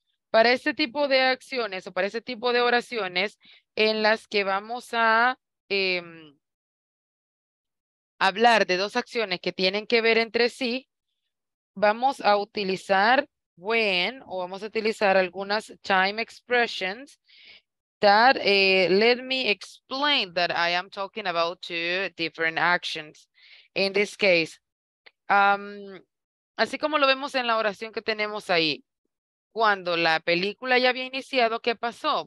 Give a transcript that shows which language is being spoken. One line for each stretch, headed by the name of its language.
Spanish: Para este tipo de acciones o para este tipo de oraciones en las que vamos a hablar de dos acciones que tienen que ver entre sí, vamos a utilizar when o vamos a utilizar algunas time expressions.
English: That let me explain that I am talking about two different actions in this case.
Spanish: Así como lo vemos en la oración que tenemos ahí, cuando la película ya había iniciado, ¿qué pasó?